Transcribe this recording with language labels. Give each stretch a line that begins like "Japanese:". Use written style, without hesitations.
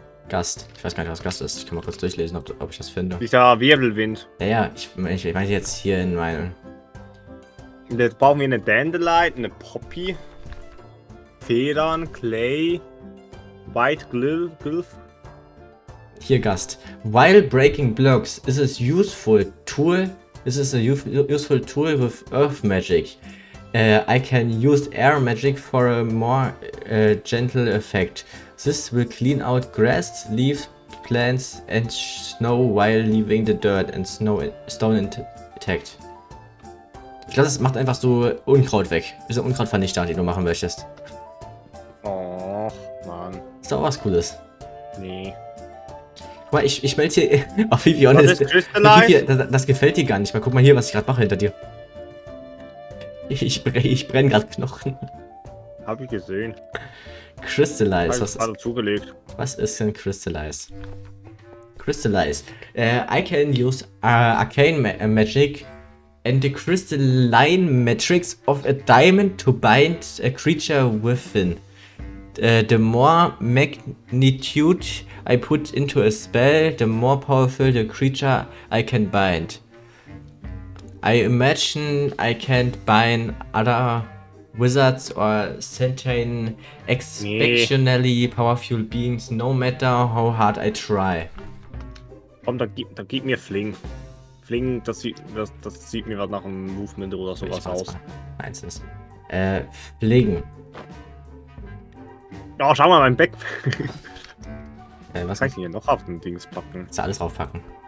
German: Gast, ich weiß gar nicht, was Gast ist. Ich kann mal kurz durchlesen, ob ich das finde. Ist da Wirbelwind. Ja, ich meine jetzt hier in meinem. Jetzt brauchen wir eine Dandelion, eine Poppy, Federn, Clay, White Glyph. Hier, Gast.
English: While breaking blocks, is it useful tool? This is a useful tool with earth magic. I can use air magic for a more gentle effect. This will clean out grass, leaves, plants and snow while leaving the dirt and stone intact.
German: Ich glaube, das macht einfach so Unkraut weg. Ist ein Unkrautvernichter, den du machen möchtest. Oh, Mann. Ist doch was Cooles. Nee. Guck mal, ich melde hier auf Vivi Honest. Das ist Crystallize. Das gefällt dir gar nicht. Mal guck mal hier, was ich gerade mache hinter dir. Ich brenne gerade Knochen. Hab ich gesehen. Crystallize. Ich hab's gerade zugelegt. Was ist denn Crystallize?
English: Crystallize. I can use arcane magic and the crystalline matrix of a diamond to bind a creature within. The more magnitude I put into a spell, the more powerful the creature I can bind. I imagine I can bind other wizards or certain exceptionally powerful beings, no matter how hard I try.
German: Komm, da gib mir Fling. Fling, das sieht mir was nach einem Movement oder sowas aus. Meinstens. Fling. Oh, schau mal, mein Back. Was kann ich denn hier noch auf den Dings packen? Kannst du alles draufpacken.